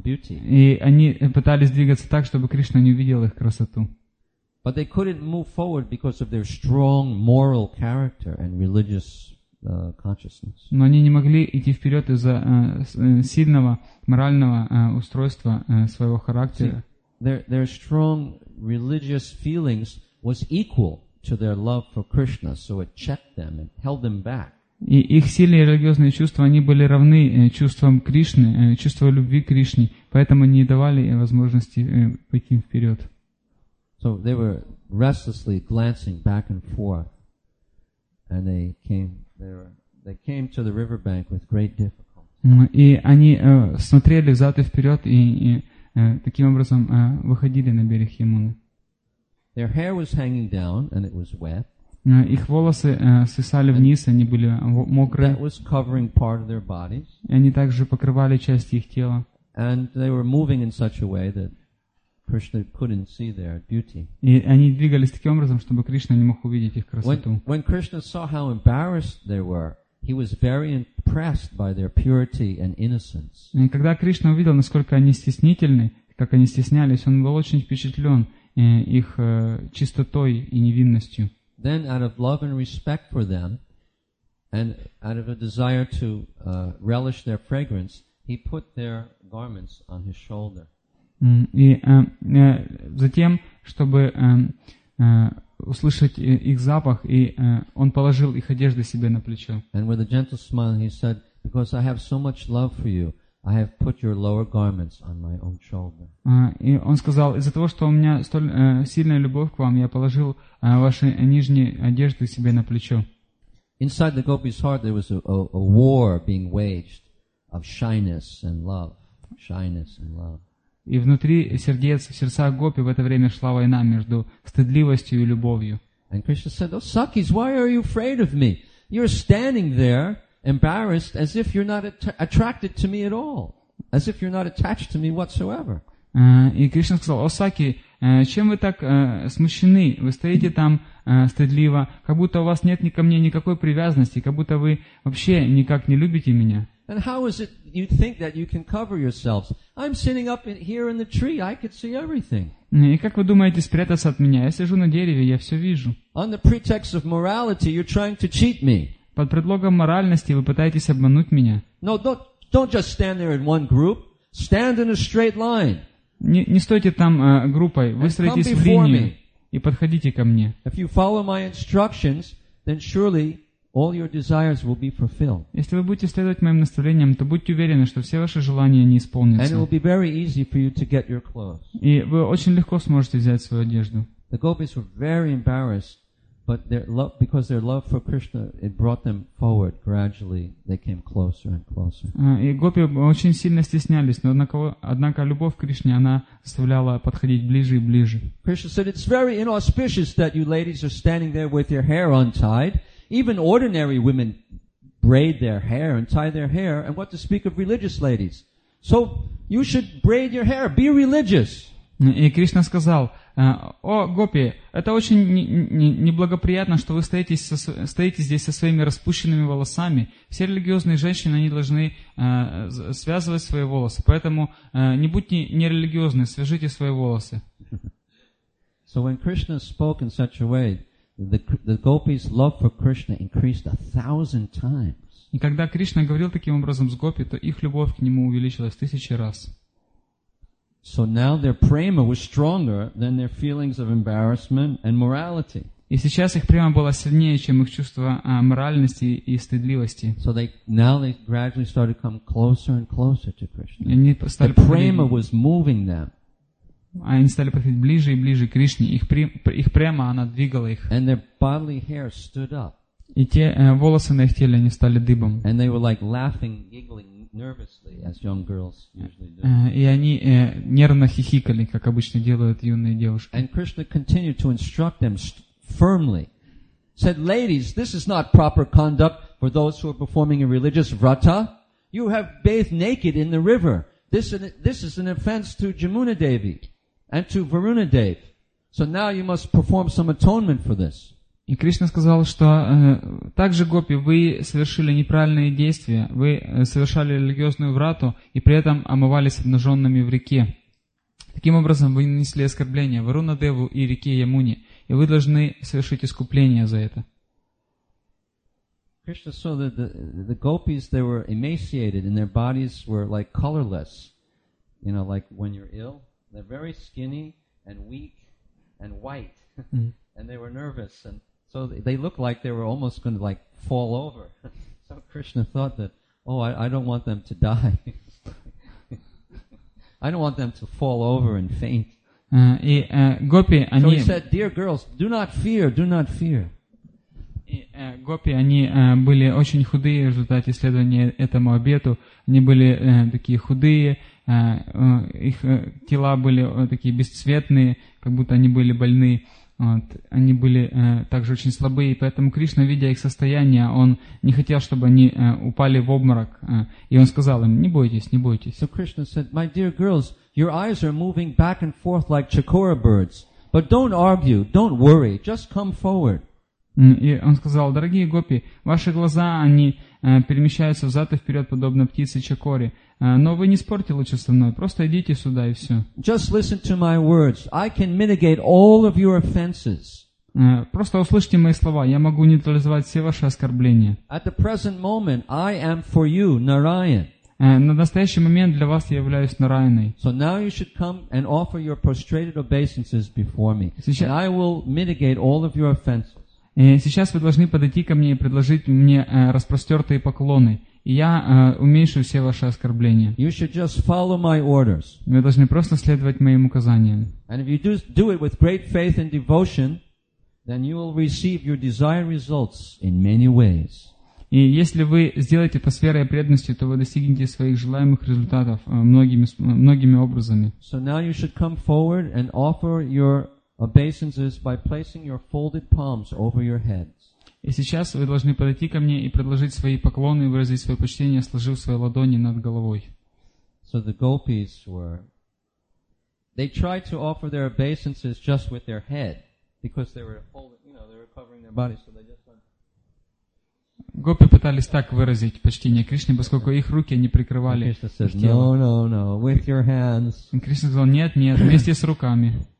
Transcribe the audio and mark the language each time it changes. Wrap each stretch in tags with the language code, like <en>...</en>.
<ru>И они пытались двигаться так, чтобы Кришна не увидел их красоту.</ru> <en>But they couldn't move forward because of their strong moral character and religious consciousness.</en> <ru>Но они не могли идти вперед из-за сильного морального устройства своего характера.</ru> <en>Their strong religious feelings was equal to their love for Krishna, so it checked them and held them back.</en> <ru>И их сильные религиозные чувства, они были равны чувствам Кришны, чувству любви к Кришне, поэтому не давали возможности пойти вперед.</ru> <en>So they were restlessly glancing back and forth, and they came to the riverbank with great difficulty.</en> <ru>И они смотрели взад и вперед и таким образом выходили на берег Ямуны.</ru> <en>Their hair was hanging down, and it was wet.</en> <ru>Их волосы свисали вниз, они были мокрые.</ru> <en>That was covering part of their bodies.</en> <ru>И они также покрывали часть их тела.</ru> <en>And they were moving in such a way that Krishna couldn't see their beauty.</en> <ru>И они двигались таким образом, чтобы Кришна не мог увидеть их красоту.</ru> <en>When Krishna saw how embarrassed they were, he was very impressed by their purity and innocence.</en> <ru>И когда Кришна увидел, насколько они стеснительны, как они стеснялись, он был очень впечатлен их чистотой и невинностью.</ru> <en>Then, out of love and respect for them, and out of a desire to relish their fragrance, he put their garments on his shoulder.</en> <ru>И затем, чтобы услышать их запах, и он положил их одежды себе на плечо.</ru> <en>And with a gentle smile, he said, "Because I have so much love for you, I have put your lower garments on my own shoulder."</en> <ru>И он сказал, из-за того, что у меня столь сильная любовь к вам, я положил ваши нижние одежды себе на плечо.</ru> <en>Inside the gopi's heart there was a war being waged of shyness and love. Shyness and love.</en> <ru>И внутри сердца гопи в это время шла война между стыдливостью и любовью.</ru> <en>And Krishna said, "Oh, Sakis, why are you afraid of me? You're standing there embarrassed, as if you're not attracted to me at all, as if you're not attached to me whatsoever."</en> <ru>И Кришна сказал: "О Саки, чем вы так смущены? Вы стоите там стыдливо, как будто у вас нет ни ко мне никакой привязанности, как будто вы вообще никак не любите меня."</ru> <en>And how is it you think that you can cover yourselves? I'm sitting up here in the tree. I could see everything.</en> <ru>И как вы думаете спрятаться от меня? Я сижу на дереве, я все вижу.</ru> <en>On the pretext of morality, you're trying to cheat me.</en> <ru>Под предлогом моральности вы пытаетесь обмануть меня.</ru> <en>No, don't just stand there in one group. Stand in a straight line.</en> <ru>Не стойте там группой. Выстроитесь в линию и подходите ко мне.</ru> <en>If you follow my instructions, then surely all your desires will be fulfilled.</en> <ru>Если вы будете следовать моим наставлениям, то будьте уверены, что все ваши желания не исполнятся.</ru> <en>And it will be very easy for you to get your clothes.</en> <ru>И вы очень легко сможете взять свою одежду.</ru> <en>The gopis were very embarrassed, but their love for Krishna, it brought them forward. Gradually, they came closer and closer.</en> <ru>И гопи очень сильно стеснялись, но однако любовь к Кришне она заставляла подходить ближе и ближе.</ru> <en>Krishna said, "It's very inauspicious that you ladies are standing there with your hair untied." Even ordinary women braid their hair and tie their hair, and what to speak of religious ladies? So you should braid your hair. Be religious.</en> <ru>И Кришна сказал: О, гопи, это очень неблагоприятно, что вы стоите здесь со своими распущенными волосами. Все религиозные женщины, они должны связывать свои волосы. Поэтому не будьте нерелигиозны, свяжите свои волосы.</ru> <en>So when Krishna spoke in such a way, the gopis' love for Krishna increased 1,000 times.</en> <ru>И когда Кришна говорил таким образом с гопи, то их любовь к нему увеличилась 1,000 раз.</ru> <en>So now their prema was stronger than their feelings of embarrassment and morality.</en> <ru>И сейчас их према была сильнее, чем их чувство моральности и стыдливости.</ru> <en>So they gradually started to come closer and closer to Krishna.</en> <ru>И они стали</ru> <en>prema was moving them.</en> <ru>Они стали подходить ближе и ближе к Кришне. Их према, она двигала их.</ru> <en>And their bodily hair stood up.</en> <ru>И те волосы на их теле, они стали дыбом.</ru> <en>And they were like laughing, giggling nervously, as young girls usually do.</en> <ru>И они нервно хихикали, как обычно делают юные девушки.</ru> <en>And Krishna continued to instruct them firmly. Said, ladies, this is not proper conduct for those who are performing a religious vrata. You have bathed naked in the river. This is an offense to Jamuna Devi and to Varuna Dev. So now you must perform some atonement for this.</en> <ru>И Кришна сказал, что также гопи, вы совершили неправильные действия, вы совершали религиозную врату и при этом омывались обнаженными в реке. Таким образом, вы нанесли оскорбление Варуна Деву и реке Ямуне, и вы должны совершить искупление за это.</ru> <en>Krishna saw that the gopis, they were emaciated and their bodies were like colorless. You know, like when you're ill, they're very skinny and weak and white. And they were nervous. And so they looked like they were almost going to like fall over. So Krishna thought that, oh, I don't want them to die. I don't want them to fall over and faint. Gopi, so he said, dear girls, do not fear, do not fear.</en> <ru>Гопи, они были очень худые в результате исследования этому обету. Они были такие худые, их тела были такие бесцветные, как будто они были больны. Вот. Они были также очень слабые, поэтому Кришна, видя их состояние, он не хотел, чтобы они упали в обморок. И он сказал им, не бойтесь, не бойтесь.</ru> <en>So Krishna said, my dear girls, your eyes are moving back and forth like chakora birds. But don't argue, don't worry, just come forward.</en> <ru>И он сказал, дорогие гопи, ваши глаза, они перемещаются взад и вперед, подобно птице Чакоре. Но вы не спорьте лучше со мной, просто идите сюда и все.</ru> <en>Just listen to my words. I can mitigate all of your offenses.</en> <ru>Просто услышьте мои слова, я могу нейтрализовать все ваши оскорбления.</ru> <en>At the present moment, I am for you, Narayan.</en> <ru>На настоящий момент для вас я являюсь Нарайаной.</ru> <en>So now you should come and offer your prostrated obeisances before me. And I will mitigate all of your offenses.</en> <ru>И сейчас вы должны подойти ко мне и предложить мне распростертые поклоны. И я уменьшу все ваши оскорбления.</ru> <en>You should just follow my orders.</en> <ru>Вы должны просто следовать моим указаниям.</ru> <en>And if you do it with great faith and devotion, then you will receive your desired results in many ways.</en> <ru>И если вы сделаете это с верой и преданностью, то вы достигнете своих желаемых результатов многими образами.</ru> <en>So now you should come forward and offer your obeisances by placing your folded palms over your heads.</en> <ru>И сейчас вы должны подойти ко мне и предложить свои поклоны и выразить свое почтение, сложив свои ладони над головой.</ru> <en>So the gopis were, they tried to offer their obeisances just with their head because they were holding, you know, they were covering their body, so they just went.</en> <ru>Гопи пытались так выразить почтение Кришне, поскольку их руки не прикрывали.</ru> <en>No, with your hands.</en> <ru>Кришна сказал, нет, вместе с руками.</ru>